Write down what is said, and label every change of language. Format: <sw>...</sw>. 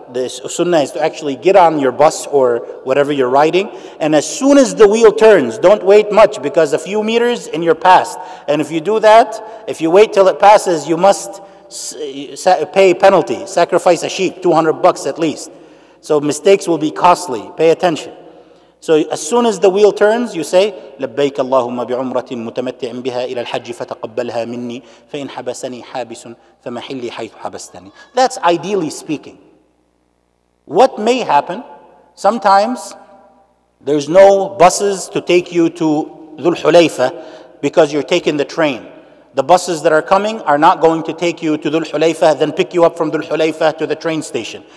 <en>The sunnah is to actually get on your bus or whatever you're riding. And as soon as the wheel turns, don't wait much, because a few meters and you're past. And if you do that, if you wait till it passes, you must pay penalty, sacrifice a sheep, $200 at least. So mistakes will be costly. Pay attention. So as soon as the wheel turns, you say,</en> <ar>لبيك اللهم بعمرة متمتع بها إلى الحج فتقبلها مني فإن حبسني حابس فمحلي حيث حبستني.</ar> <en>That's ideally speaking. What may happen, sometimes there's no buses to take you to Dhul Hulayfa because you're taking the train. The buses that are coming are not going to take you to Dhul Hulayfa, then pick you up from Dhul Hulayfa to the train station.</en>